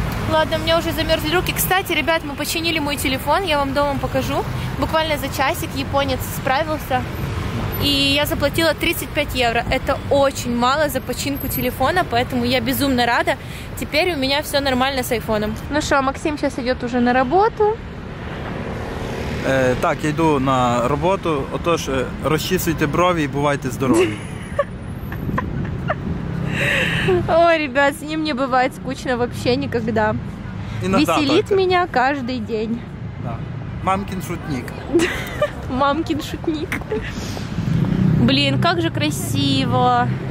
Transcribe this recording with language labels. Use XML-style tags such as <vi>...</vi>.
<ru>Ладно, у меня уже замерзли руки. Кстати, ребят, мы починили мой телефон, я вам дома покажу. Буквально за часик японец справился. и я заплатила 35 евро. Это очень мало за починку телефона, поэтому я безумно рада. Теперь у меня все нормально с айфоном. Ну что, Максим сейчас идет уже на работу.</ru> <uk>Так, я йду на роботу. Отож, розчісуйте брові і бувайте здорові.</uk> <ru>Ой, ребят, с ним не бывает скучно вообще никогда. Иногда, веселит так. Меня каждый день. Да. Мамкин шутник. Мамкин шутник. Блин, как же красиво.</ru>